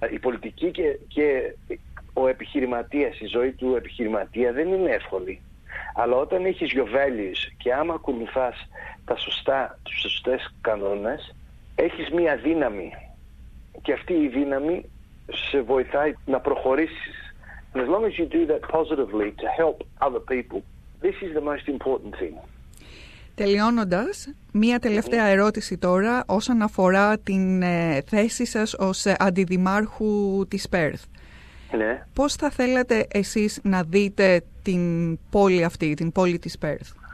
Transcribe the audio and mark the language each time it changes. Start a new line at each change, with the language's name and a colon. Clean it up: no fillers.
Greek: Η πολιτική και ο επιχειρηματίας, η ζωή του επιχειρηματία δεν είναι εύκολη. Αλλά όταν έχεις
English: your values
Greek: και άμα ακολουθάς τους σωστές κανόνες, έχεις μία δύναμη. Και αυτή η δύναμη σε βοηθάει να προχωρήσεις.
English: And as long as you do that positively to help other people, this is the most important thing.
Greek: Τελειώνοντας, μία τελευταία ερώτηση τώρα όσον αφορά την θέση σας ως αντιδημάρχου της Perth. Ναι. Πώς θα θέλατε εσείς να δείτε την πόλη αυτή, την πόλη της Perth?